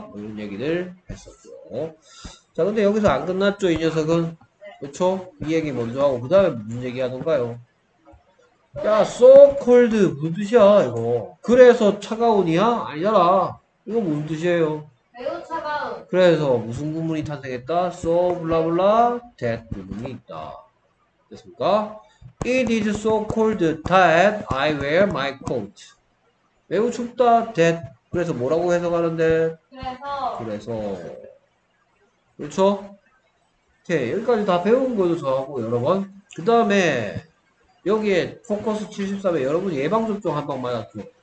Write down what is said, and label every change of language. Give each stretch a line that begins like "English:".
Korean: 뭐 이런 얘기를 했었죠. 자 근데 여기서 안 끝났죠 이 녀석은. 그쵸? 이 얘기 먼저 하고 그 다음에 무슨 얘기 하던가요? 야 so cold 무슨 뜻이야 이거? 그래서 차가운이야? 아니잖아. 이거 무슨 뜻이에요? 매우 차가운. 그래서 무슨 구문이 탄생했다? so blah blah that 구문이 있다. 됐습니까?
English: It is so cold that I wear my coat.
Korean: 매우 춥다, that. 그래서 뭐라고 해석하는데? 그래서. 그래서. 그렇죠? 오케이. 여기까지 다 배운 거죠, 저하고, 여러분. 그 다음에, 여기에 포커스 73에 여러분 예방접종 한 방 맞았죠?